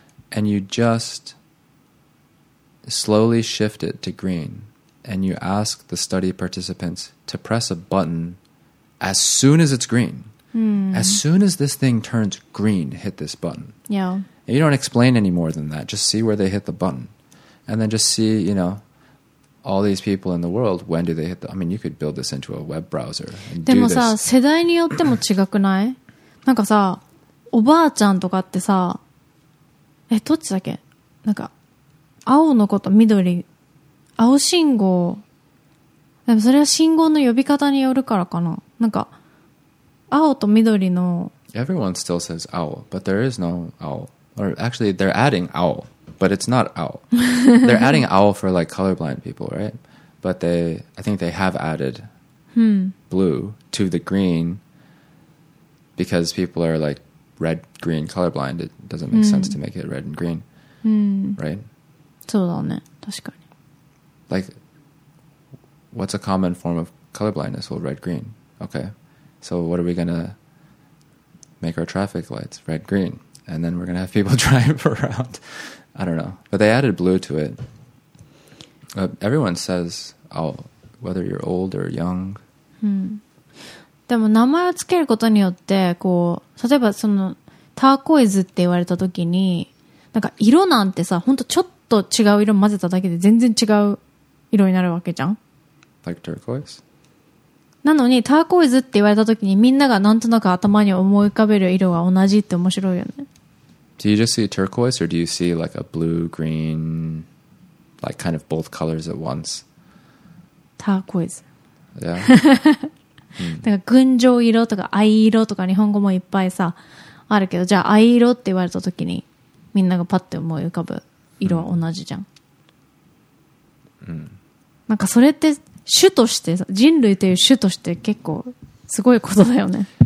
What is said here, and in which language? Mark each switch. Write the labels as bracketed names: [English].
[English] And you just slowly shift it to green and you ask the study participants to press a button as soon as it's green. Hmm. As soon as this thing turns green, hit this button. Yeah. And you don't explain any more than that. Just see where they hit the button and then just see, you know,All these people in the world, when do they hit the... I mean, you could build this into a web browser and [Japanese] でもさ、世代によっても違くない?なんかさ、おばあちゃんとかってさ、え、どっちだっけ? なんか、青のこと、緑、青信号、でもそれは信号の呼び方によるからかな。なんか、青と緑の。 [English] Everyone still says 青, but there is no 青. Or actually, they're adding 青.But it's not owl. They're adding owl for like colorblind people, right? But they, I think they have added、 hmm. blue to the green because people are like red, green, colorblind. It doesn't make、hmm. sense to make it red and green,、 hmm. right? [Japanese] そうだね、確かに。 [English] Like, what's a common form of colorblindness? Well, red, green. Okay. So what are we going to make our traffic lights? Red, green. And then we're going to have people drive around. I don't know. But they added blue to it.、everyone says, oh, whether you're old or young.、 [Japanese] うん、でも名前をつけることによってこう、例えばそのターコイズって言われた時に、なんか色なんてさ、ほんとちょっと違う色混ぜただけで全然違う色になるわけじゃん。 [English] Like turquoise? [Japanese] なのにターコイズって言われた時にみんながなんとなく頭に思い浮かべる色が同じって面白いよね。 [English] Do you just see turquoise or do you see like a blue, green, like kind of both colors at once? Turquoise. Yeah. [Japanese] なんか群青色とか藍色とか日本語もいっぱいさあるけど、じゃあ藍色って言われた時にみんながパッて思い浮かぶ色は同じじゃん。なんかそれって種としてさ、人類という種として結構すごいことだよね。